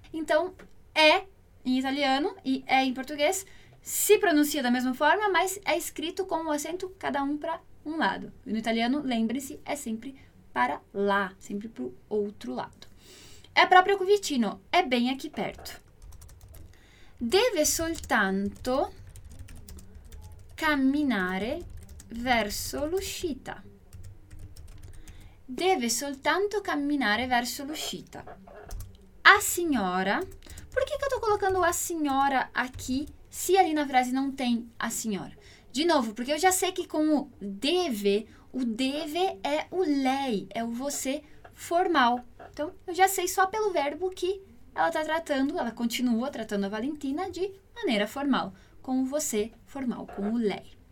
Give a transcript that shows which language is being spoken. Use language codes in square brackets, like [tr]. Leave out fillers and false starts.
[pt] Então, é em italiano e é em português se pronuncia da mesma forma, mas é escrito com o acento cada um para um lado. E no italiano, lembre-se, é sempre para lá, sempre para o outro lado. [it] É proprio qui vicino, [pt] é bem aqui perto. [it] Deve soltanto camminare verso l'uscita. Deve soltanto camminare verso l'uscita. [pt] A signora, por que que eu tô colocando a senhora aqui se ali na frase não tem a senhora? De novo, porque eu já sei que com o deve é o lei, é o você formal. Então, eu já sei só pelo verbo que ela está tratando, ela continua tratando a Valentina de maneira formal, com o você formal, com o lei.